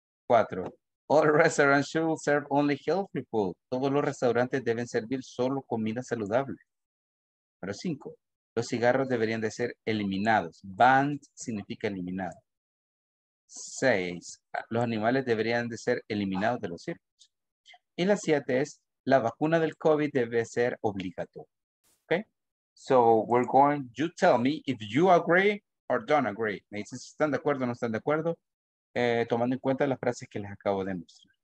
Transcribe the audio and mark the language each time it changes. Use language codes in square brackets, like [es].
[es] Cuatro, [en] all restaurants should serve only healthy food. [es] Todos los restaurantes deben servir solo comida saludable. Número cinco, los cigarros deberían de ser eliminados. Banned significa eliminado. Seis, los animales deberían de ser eliminados de los circos. Y la siete es, la vacuna del COVID debe ser obligatoria. Okay? [en] So we're going, you tell me if you agree or don't agree. [es] Me dicen si están de acuerdo o no están de acuerdo. Tomando en cuenta las frases que les acabo de mostrar.